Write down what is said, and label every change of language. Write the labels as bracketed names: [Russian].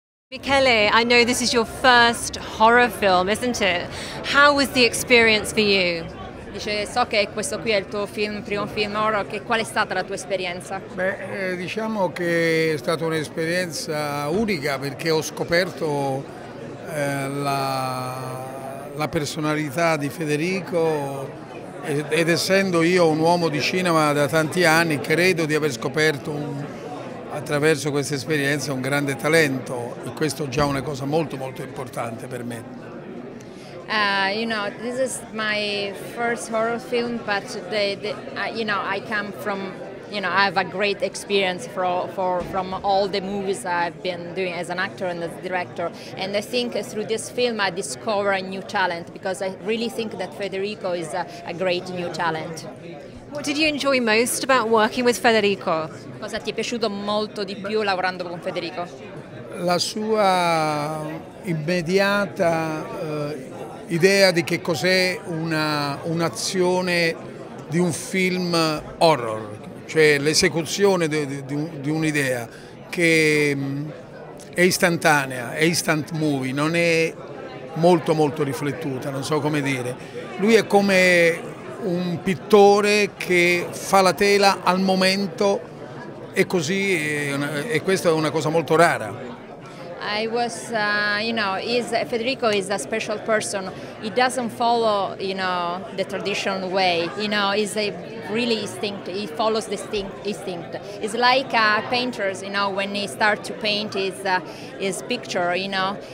[English] Michele, I know this is your first horror film, isn't it? How was the experience for you? [Italian] Dice, so che questo qui è il tuo film, primo film horror, che qual è stata la tua esperienza? Beh, diciamo che è stata un'esperienza unica perché ho scoperto la personalità di Federico ed essendo io un uomo di cinema da tanti anni, credo di aver scoperto attraverso questa esperienza un grande talento e questo è già una cosa molto molto importante per me. [English] You know, this is my first horror film, but you know, I come from, you know, I have a great experience from all the movies I've been doing as an actor and as a director. And I think through this film I discover a new talent because I really think that Federico is a great new talent. What did you enjoy most about working with Federico? [Italian] Cosa ti è piaciuto molto di più lavorando con Federico? La sua immediata idea di che cos'è un'azione di un film horror, cioè l'esecuzione di un'idea che è istantanea, è [English] instant movie, [Italian] non è molto molto riflettuta, non so come dire. Lui è come un pittore che fa la tela al momento e così, e questa è una cosa molto rara. [English] I was, you know, Federico is a special person. He doesn't follow, you know, the traditional way. You know, he's a really instinct. He follows the instinct. It's like painters, you know, when he starts to paint his picture, you know.